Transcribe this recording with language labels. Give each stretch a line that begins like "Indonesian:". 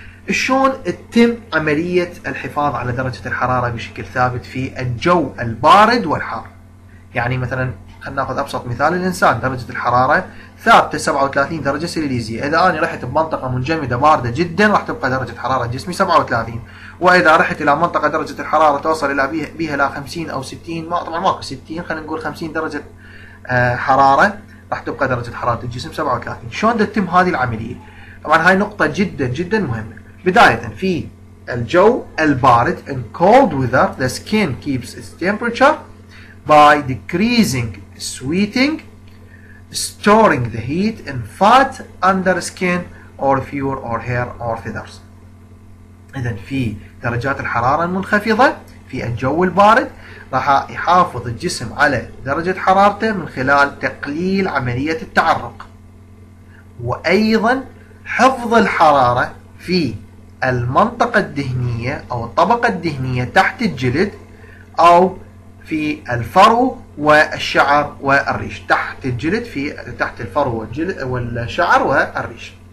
Arabic: شلون تتم عملية الحفاظ على درجة الحرارة بشكل ثابت في الجو البارد والحار؟ يعني مثلا نأخذ أبسط مثال، الإنسان درجة الحرارة ثابتة 37 درجة سليزية، إذا أنا رحت بمنطقة منجمدة باردة جدا راح تبقى درجة حرارة جسمي 37، وإذا رحت إلى منطقة درجة الحرارة توصل إلى بها إلى 50 أو 60، ما طبعا ماكو 60، خلينا نقول 50 درجة حرارة، راح تبقى درجة حرارة الجسم 37. شلون تتم هذه العملية؟ طبعا هاي نقطة جدا جدا مهمة. بداية في الجو البارد
English: and cold weather the skin keeps its temperature by decreasing sweating, storing the heat and fat under skin or fur or hair or feathers.
Arabic: إذا في درجات الحرارة المنخفضة في الجو البارد راح يحافظ الجسم على درجة حرارته من خلال تقليل عملية التعرق، وأيضا حفظ الحرارة في المنطقة الدهنية أو الطبقة الدهنية تحت الجلد أو في الفرو والشعر والريش، تحت الجلد في تحت الفرو والجلد والشعر والريش.